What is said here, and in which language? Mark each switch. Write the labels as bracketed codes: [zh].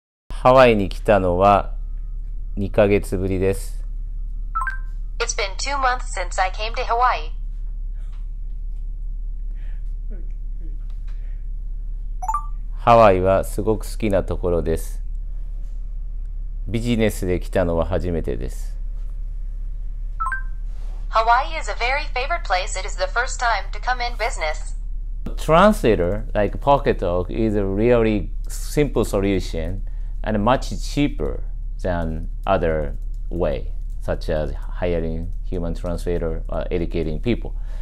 [ja] ハワイに来たのは2ヶ月ぶりです。 [en] It's been 2 months since I came to Hawaii. [ja] ハワイはすごく好きなところです。ビジネスで来たのは初めてです。 [en] Hawaii is a very favorite place. It is the first time to come in business. Translator, like Pocketalk, is a really simple solution and much cheaper than other way, such as hiring human translator or educating people.